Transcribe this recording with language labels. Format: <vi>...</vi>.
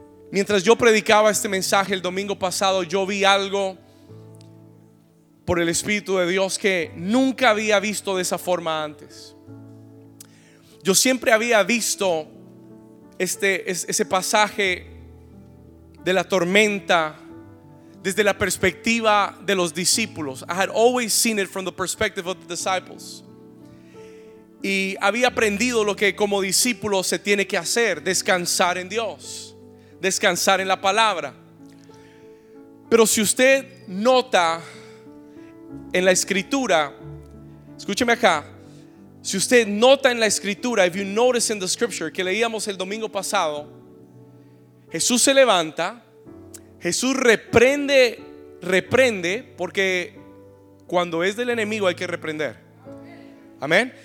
<es>Mientras yo predicaba este mensaje el domingo pasado, yo vi algo por el Espíritu de Dios que nunca había visto de esa forma antes. Yo siempre había visto ese pasaje de la tormenta desde la perspectiva de los discípulos.</es> <en>I had always seen it from the perspective of the disciples.</en> <es>Y había aprendido lo que como discípulo se tiene que hacer: descansar en Dios, descansar en la palabra. Pero si usted nota en la escritura, escúcheme acá, si usted nota en la escritura,</es> <en>if you notice in the scripture,</en> <es>que leíamos el domingo pasado, Jesús se levanta, Jesús reprende, porque cuando es del enemigo hay que reprender. Amén.</es>